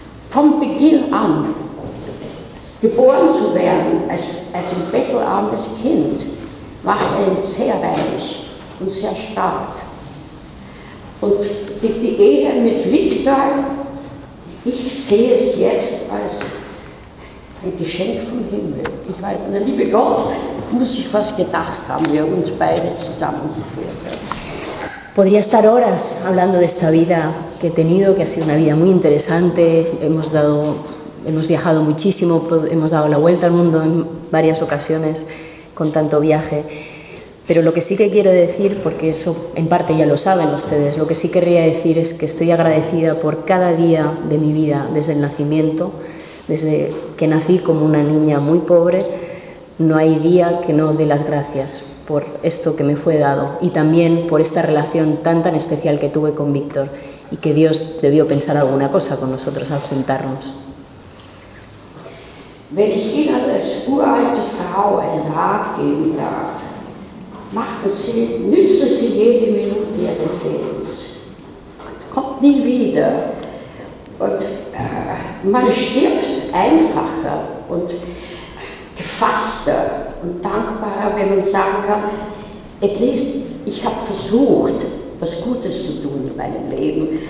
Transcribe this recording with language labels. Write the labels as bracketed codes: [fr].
[de] Vom Beginn an, geboren zu werden als ein bettelarmes Kind, macht einen sehr reich und sehr stark. Und die Ehe mit Viktor, ich sehe es jetzt als ein Geschenk vom Himmel. Ich weiß, der liebe Gott muss sich was gedacht haben, wie er uns beide zusammengeführt hat. [es] Podría estar horas hablando de esta vida que he tenido, que ha sido una vida muy interesante. Hemos dado hemos viajado muchísimo, hemos dado la vuelta al mundo en varias ocasiones con tanto viaje. Pero lo que sí que quiero decir, porque eso en parte ya lo saben ustedes, lo que sí querría decir es que estoy agradecida por cada día de mi vida desde el nacimiento, desde que nací como una niña muy pobre. No hay día que no dé las gracias por esto que me fue dado y también por esta relación tan tan especial que tuve con Víctor, y que Dios debió pensar alguna cosa con nosotros al juntarnos. [de] Wenn ich Ihnen als uralte Frau einen Rat geben darf, machen Sie, nützen Sie jede Minute Ihres Lebens. Kommt nie wieder. Und man stirbt einfacher und gefasster und dankbarer, wenn man sagen kann, [en] at least [de] ich habe versucht, was Gutes zu tun in meinem Leben.